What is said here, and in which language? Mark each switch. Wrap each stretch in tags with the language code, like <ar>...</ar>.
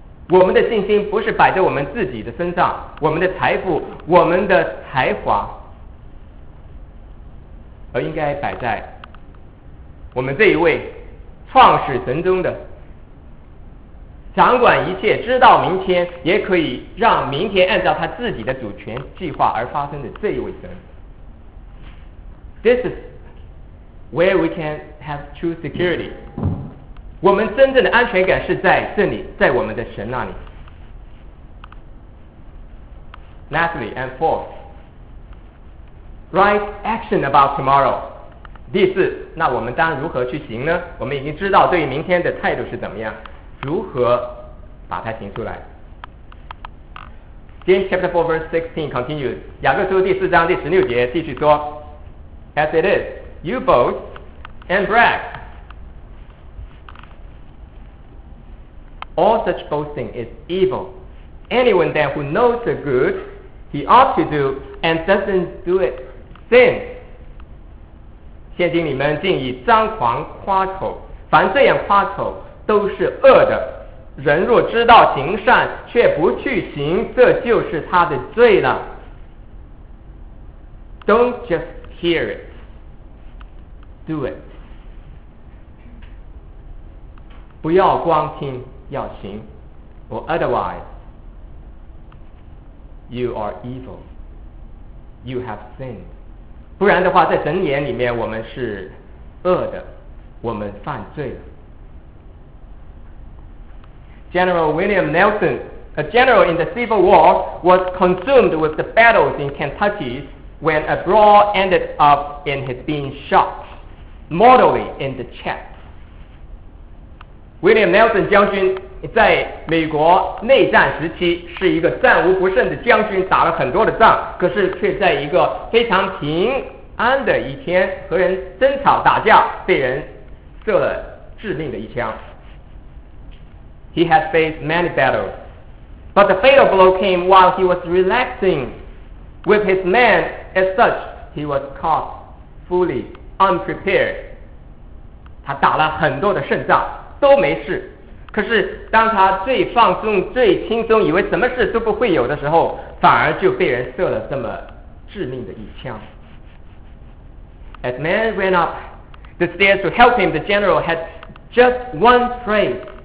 <zh>我们的信心不是摆在我们自己的身上，我们的财富，我们的才华，而应该摆在我们这一位创始神中的，掌管一切，知道明天，也可以让明天按照他自己的主权计划而发生的这一位神。</zh> <en>This is where we can have true security.</en> <zh>我们真正的安全感是在这里，在我们的神那里。</zh> <en>Lastly and fourth, write action about tomorrow.</en> <zh>第四，那我们当如何去行呢？我们已经知道对于明天的态度是怎么样，如何把它行出来。</zh> <en>James chapter 4 verse 16 continues,</en> <zh>雅各书第四章第十六节继续说，</zh> <en>As it is, you boast and brag. All such boasting is evil. Anyone then who knows the good he ought to do and doesn't do it sins.</en> <zh>现今你们竟以张狂夸口，凡这样夸口都是恶的，人若知道行善却不去行，这就是他的罪了。</zh> <en>Don't just hear it, do it.</en> <zh>不要光听，要行。</zh> <en>Or otherwise, you are evil, you have sinned.</en> <zh>不然的话，在神眼里面我们是恶的，我们犯罪了。</zh> <en>General William Nelson, a general in the Civil War, was consumed with the battles in Kentucky when a brawl ended up in his being shot, mortally in the chest.</en> <zh>William Nelson 将军在美国内战时期是一个战无不胜的将军，打了很多的仗，可是却在一个非常平安的一天和人争吵打架，被人射了致命的一枪。</zh> <en>He had faced many battles, but the fatal blow came while he was relaxing with his men. As such, he was caught fully unprepared.</en> <zh>他打了很多的胜仗都没事，可是当他最放松最轻松，以为什么事都不会有的时候，反而就被人射了这么致命的一枪。</zh> <en>As men ran up the stairs to help him, the general had just one phrase.</en>